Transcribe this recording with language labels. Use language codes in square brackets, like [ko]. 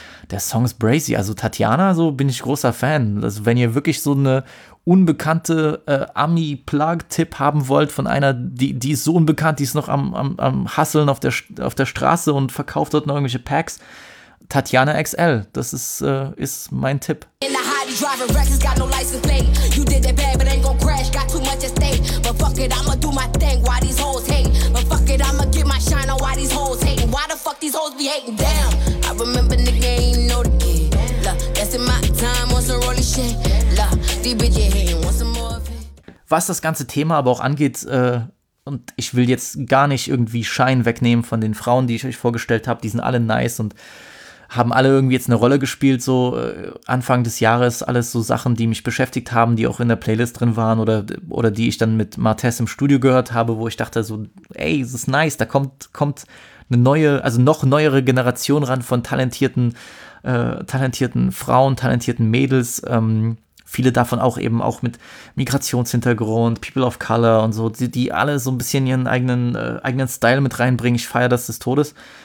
[de] der Song ist brazy, also Tatiana, so bin ich großer Fan, also wenn ihr wirklich so eine unbekannte Ami-Plug-Tipp haben wollt von einer, die ist so unbekannt, die ist noch am Hustlen auf der Straße und verkauft dort noch irgendwelche Packs, Tatiana XL, das ist mein Tipp. [en] Driving wrecks, got no license plate. You did that bad, but ain't gon' crash. Got too much at stake. But fuck it, I'ma do my thing. Why these hoes hate? But fuck it, I'ma get my shine on. Why these hoes hate? Why the fuck these hoes be hating? Damn, I remember nigga ain't know the kid. Look, that's in my time on some rolling shit. Look, these bitches hating. Want some more of it? [de] Was das ganze Thema aber auch angeht, und ich will jetzt gar nicht irgendwie Schein wegnehmen von den Frauen, die ich euch vorgestellt habe. Die sind alle nice und haben alle irgendwie jetzt eine Rolle gespielt, so Anfang des Jahres, alles so Sachen, die mich beschäftigt haben, die auch in der Playlist drin waren oder die ich dann mit Martez im Studio gehört habe, wo ich dachte so, ey, das ist nice, da kommt eine neue, also noch neuere Generation ran von talentierten Frauen, talentierten Mädels, viele davon auch eben auch mit Migrationshintergrund, People of Color und so, die alle so ein bisschen ihren eigenen Style mit reinbringen, ich feiere das des Todes.